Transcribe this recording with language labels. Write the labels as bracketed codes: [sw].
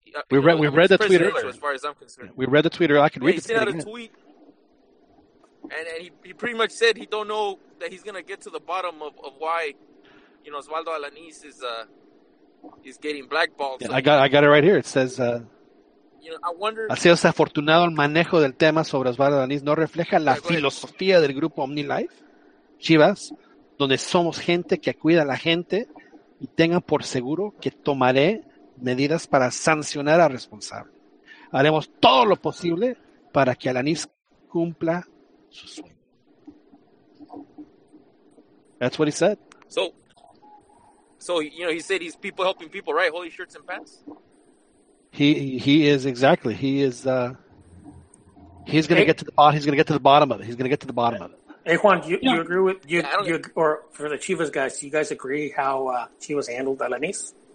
[en] We read the tweet. As far as I'm concerned, we read the tweet. I can read. He sent out a tweet, and he pretty much said he don't know that he's gonna get to the bottom of why, you know, Osvaldo Alanis is getting blackballed. Yeah, so, I got it right here. It says, you know, I wonder. [es] Ha sido desafortunado el manejo del tema sobre Osvaldo Alanis. No refleja la filosofía del grupo OmniLife, Chivas, donde somos gente que cuida a la gente y tenga por seguro que tomaré medidas para sancionar al responsable. Haremos todo lo posible para que Alanis cumpla su sueño. [en] That's what he said. So you know, he said he's people helping people, right? Holy shirts and pants. He is exactly. He is. He's going to get to the bottom. He's going to get to the bottom of it. He's going to get to the bottom of it. Hey Juan, you agree with you? Yeah, or for the Chivas guys, do you guys agree how Chivas handled Alanis?